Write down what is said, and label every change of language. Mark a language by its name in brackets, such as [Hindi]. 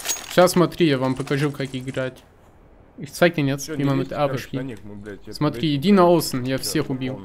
[Russian] Сейчас смотри, я вам покажу, как играть. [German] Ich zeig den jetzt, wie man mit der Arbe spielt. [Russian] Смотри, иди на außen, я всех убил.